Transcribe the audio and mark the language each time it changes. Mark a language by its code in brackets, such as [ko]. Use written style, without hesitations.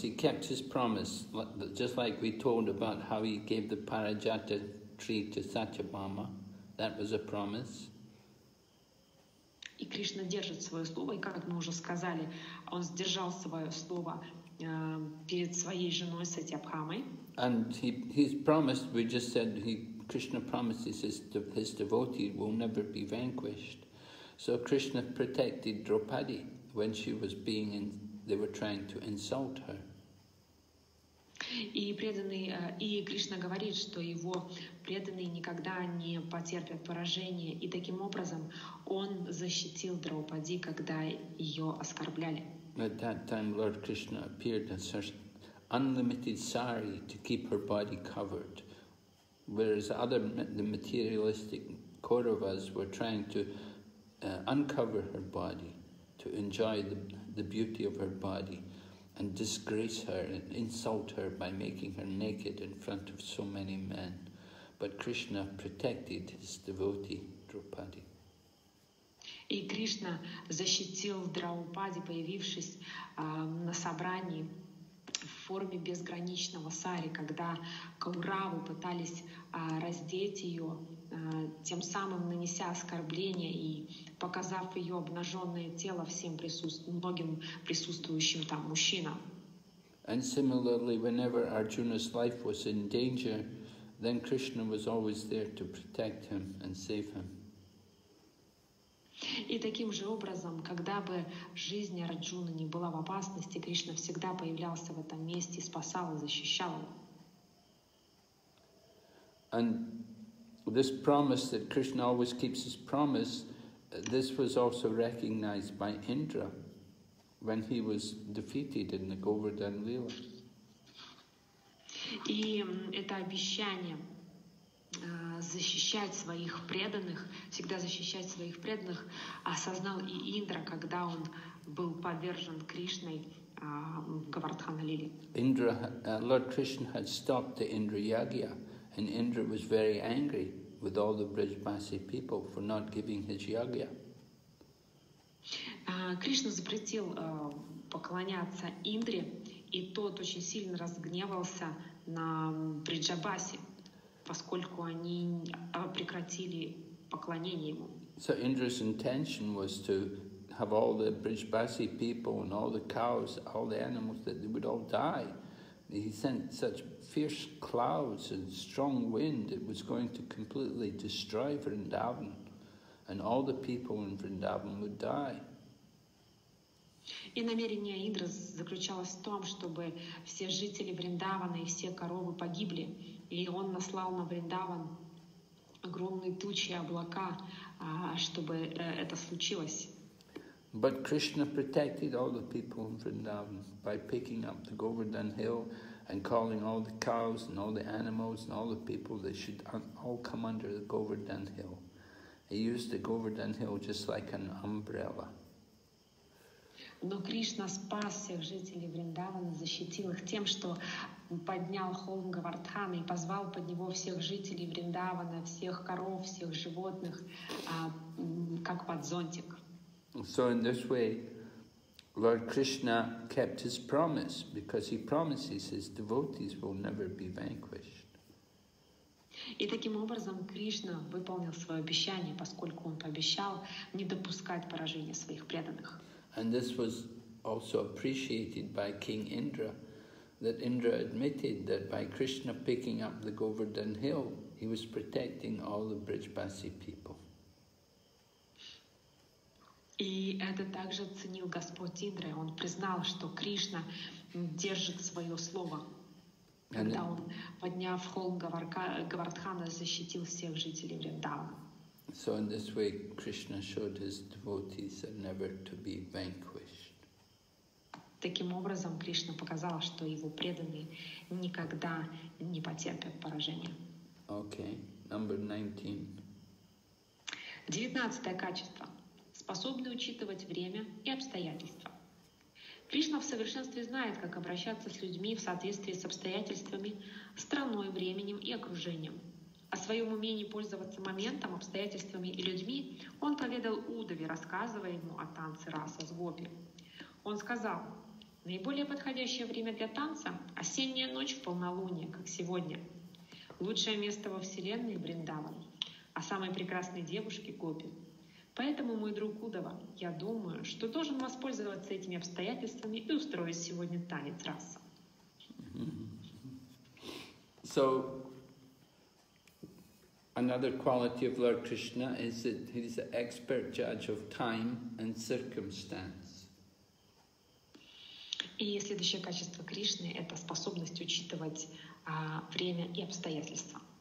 [en] He kept his promise, just like we told about how he gave the Parijata tree to Satyabhama. That was a promise. [ru] И Кришна держит свое слово, и как мы уже сказали, он сдержал свое слово перед своей женой Сатьябхамой. [en] And he's promised. We just said Krishna promises his devotee will never be vanquished. So Krishna protected Draupadi when she was being in, they were trying to insult her. [ru] И преданный, и Кришна говорит, что его преданные никогда не потерпят поражения, и таким образом он защитил Драупади, когда ее оскорбляли. [en] At that time, Lord Krishna appeared in such unlimited sari to keep her body covered, whereas other the materialistic Kauravas were trying to uncover her body, to enjoy the beauty of her body, and disgrace her and insult her by making her naked in front of so many men. But Krishna protected his devotee, Draupadi. [ru] И Кришна защитил Драупади, появившись на собрании в форме безграничного сари, когда Кауравы пытались раздеть ее, тем самым нанеся оскорбление и показав ее обнаженное тело всем многим присутствующим там мужчинам. [en] And similarly, whenever Arjuna's life was in danger, then Krishna was always there to protect him and save him. [ru] И таким же образом, когда бы жизнь Арджуны не была в опасности, Кришна всегда появлялся в этом месте, спасал и защищал его. [en] And this promise that Krishna always keeps his promise, this was also recognized by Indra when he was defeated in the Govardhan Lila. [ru] И это обещание защищать своих преданных, всегда защищать своих преданных, осознал и Индра, когда он был повержен Кришной в Гавардхан-лиле. [en] Indra, Lord Krishna had stopped the Indra Yagya, and Indra was very angry with all the Brijbasi people for not giving his yagya. [ru] Кришна запретил поклоняться Индре, и тот очень сильно разгневался на Бриджабаси, поскольку они прекратили поклонение ему. [en] So Indra's intention was to have all the Brijbasi people and all the cows, all the animals, that they would all die. He sent such fierce clouds and strong wind, it was going to completely destroy Vrindavan, and all the people in Vrindavan would die. [ru] И намерение Индры заключалось в том, чтобы все жители Вриндавана и все коровы погибли. И он наслал на Вриндаван огромные тучи и облака, чтобы это случилось. [en] But Krishna protected all the people in Vrindavan by picking up the Govardhan hill and calling all the cows and all the animals and all the people, they should all come under the Govardhan hill. He used the Govardhan hill just like an umbrella. [ru] Но Кришна спас всех жителей Вриндавана, защитил их тем, что поднял холм Гавардхана и позвал под него всех жителей Вриндавана, всех коров, всех животных, как под зонтик. [en] So in this way, Lord Krishna kept his promise, because he promises his devotees will never be vanquished. [ru] И таким образом Кришна выполнил свое обещание, поскольку он пообещал не допускать поражения своих преданных. [en] And this was also appreciated by King Indra, that Indra admitted that by Krishna picking up the Govardhan hill, He was protecting all the Brijbasi people. [ru] И это также ценил Господь Индра. Он признал, что Кришна держит свое слово. Когда он, подняв холм Говардхана, защитил всех жителей Вриндавана. [en] So in this way, Krishna showed his devotees that never to be vanquished. [ru] Таким образом, Кришна показал, что его преданные никогда не потерпят поражения. [en] Okay, number 19. [ru] 19 качество. Способны учитывать время и обстоятельства. Кришна в совершенстве знает, как обращаться с людьми в соответствии с обстоятельствами, страной, временем и окружением. О своем умении пользоваться моментом, обстоятельствами и людьми он поведал Удаве, рассказывая ему о танце раса с гопи. Он сказал, наиболее подходящее время для танца – осенняя ночь в полнолуние, как сегодня. Лучшее место во Вселенной – Вриндаван, а самой прекрасной девушке – гопи. Поэтому, мой друг Удава, я думаю, что должен воспользоваться этими обстоятельствами и устроить сегодня танец раса. [en] So, another quality of Lord Krishna is that he is an expert judge of time and circumstance. [ru] И следующее качество Кришны – это способность учитывать время и обстоятельства.